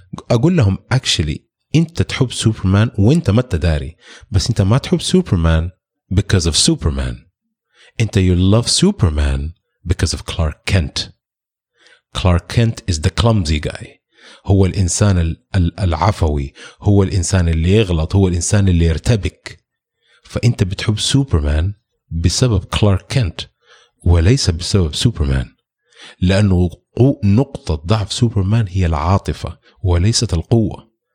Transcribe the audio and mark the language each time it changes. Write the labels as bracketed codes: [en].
[ar] أقول لهم actually أنت تحب سوبرمان وأنت ما تداري, بس أنت ما تحب سوبرمان [en] because of Superman, [ar] أنت [en] you love Superman because of Clark Kent. Clark Kent is the clumsy guy. [ar] هو الإنسان العفوي, هو الإنسان اللي يغلط, هو الإنسان اللي يرتبك. فأنت بتحب سوبرمان بسبب Clark Kent وليس بسبب سوبرمان, لأنه نقطة ضعف سوبرمان هي العاطفة وليست القوة.